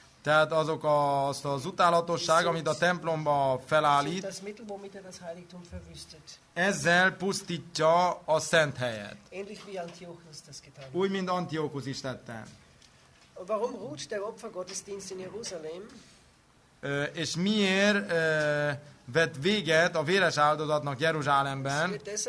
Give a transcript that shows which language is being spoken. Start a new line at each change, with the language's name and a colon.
Hungarian: Tehát azok az utálatosság, amit a templomba felállít.
German: Das Mittel, womit er das Heiligtum verwüstet.
Hungarian: Ezzel pusztítja a szent helyet.
German: Ähnlich wie Antiochus das getan.
Hungarian: Úgy, mint Antiochus is tette.
German: Warum ruht der Opfergottesdienst in Jerusalem?
Hungarian: És miért vett véget a véres áldozatnak Jeruzsálemben?